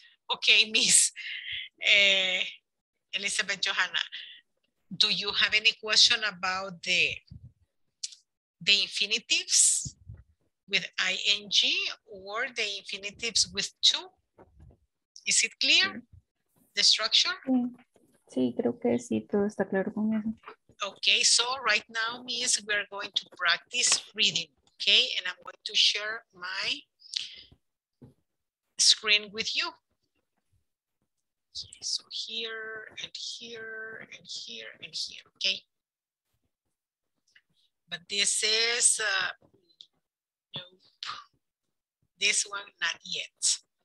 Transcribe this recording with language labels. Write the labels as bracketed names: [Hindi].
[English] Okay, Miss Elizabeth Johanna, do you have any question about the infinitives with ing or the infinitives with to? Is it clear, the structure? [Spanish] Sí, creo que sí, todo está claro con eso. [English] Okay, so right now, Miss, we are going to practice reading, okay? And I'm going to share my screen with you. Okay, so here and here and here and here, okay? But this is, nope, this one, not yet.